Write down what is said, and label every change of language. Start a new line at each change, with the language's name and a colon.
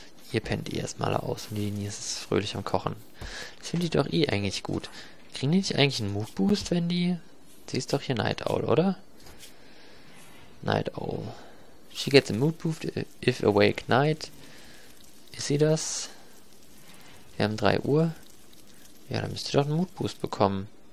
German: Hier pennt ihr erstmal aus und die Nies ist fröhlich am Kochen. Das finde ich doch eh eigentlich gut. Kriegen die nicht eigentlich einen Mood Boost, wenn die... Sie ist doch hier Night Owl, oder?
English: Night Owl. She gets a Mood Boost if awake night.
German: Ist sie das? Wir haben 3 Uhr. Ja, dann müsst ihr doch einen Mood Boost bekommen.